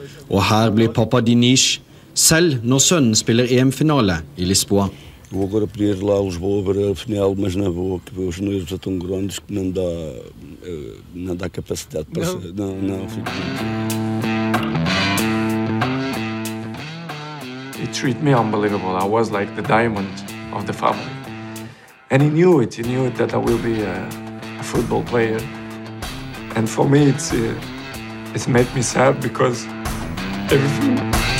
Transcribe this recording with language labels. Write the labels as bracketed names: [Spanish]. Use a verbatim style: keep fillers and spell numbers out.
[Norwegian] Og her blir pappa Diniz, selv når sønnen spiller E M-finale i Lisboa. [Portuguese] Vou agora pedir lá Lisboa para a final, mas não vou, que os números são tão grandes que não dá, não dá capacidade para ser, não, não, fico... [English] He treated me unbelievable. I was like the diamond of the family. And he knew it. He knew it that I will be a, a football player. And for me, it's, uh, it's made me sad because everything...